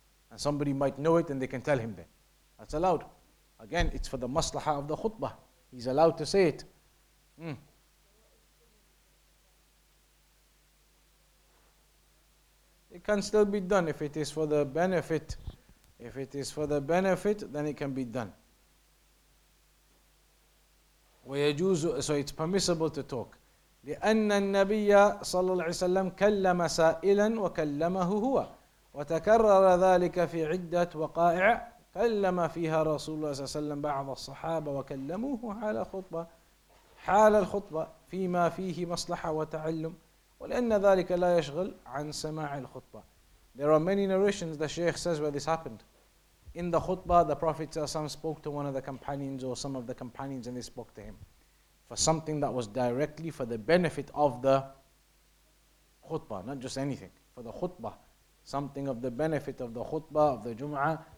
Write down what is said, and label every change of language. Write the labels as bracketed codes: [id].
[en] And somebody might know it and they can tell him then. That's allowed. Again, it's for the maslaha of the khutbah. He's allowed to say it. It can still be done if it is for the benefit. If it is for the benefit, then it can be done. ويجوز, so it's permissible to talk. [ar] لِأَنَّ النَّبِيَّ صلى الله عليه وسلم كلم سائلاً وكلمه هو وتكرر ذلك في عدة وقائع كلم فيها رسول الله صلى الله عليه وسلم بعض الصحابة وكلموه حال خطبة حال الخطبة فيما فيه مصلحة وتعلم ولأن ذلك لا يشغل عن سماع الخطبة. [en] There are many narrations the Shaykh says where this happened. In the khutbah, the Prophet ﷺ spoke to one of the companions or some of the companions and they spoke to him for something that was directly for the benefit of the khutbah, not just anything, for the khutbah, something of the benefit of the khutbah, of the Jum'ah.